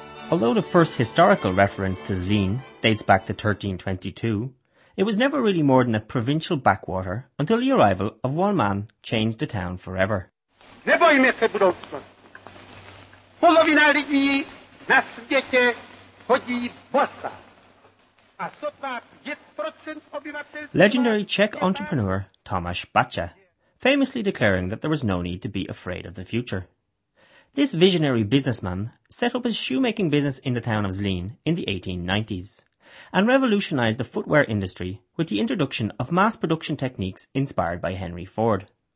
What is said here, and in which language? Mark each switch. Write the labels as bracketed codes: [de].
[en] Although the first historical reference to Zlín dates back to 1322, it was never really more than a provincial backwater until the arrival of one man changed the town forever. [cs] Nebojme se budoucna. Polovina lidí na světě chodí bosa. A sotva 5% obyvatel... [en] Legendary Czech entrepreneur Tomáš Bača famously declaring that there was no need to be afraid of the future. This visionary businessman set up his shoemaking business in the town of Zlín in the 1890s. And revolutionized the footwear industry with the introduction of mass production techniques inspired by Henry Ford.